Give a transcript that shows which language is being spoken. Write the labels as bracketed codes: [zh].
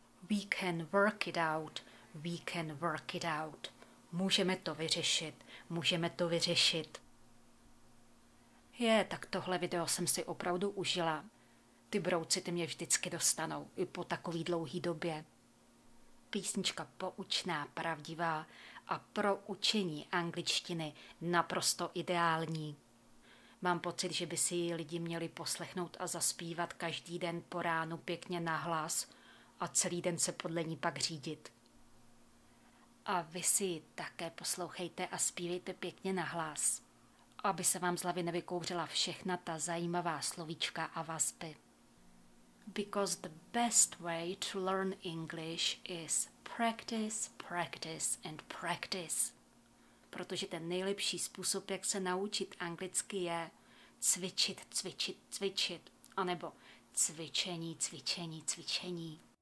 [en] We can work it out, we can work it out. [cs] Můžeme to vyřešit, můžeme to vyřešit. Je, tak tohle video jsem si opravdu užila. Ty brouci ty mě vždycky dostanou, i po takový dlouhý době. Písnička poučná, pravdivá a pro učení angličtiny naprosto ideální. Mám pocit, že by si ji lidi měli poslechnout a zaspívat každý den po ránu pěkně nahlas a celý den se podle ní pak řídit. A vy si ji také poslouchejte a zpívejte pěkně nahlas, aby se vám z hlavy nevykouřila všechna ta zajímavá slovíčka a vazby. [en] Because the best way to learn English is practice, practice and practice. [cs] Protože ten nejlepší způsob, jak se naučit anglicky, je cvičit, cvičit, cvičit. Anebo cvičení, cvičení, cvičení.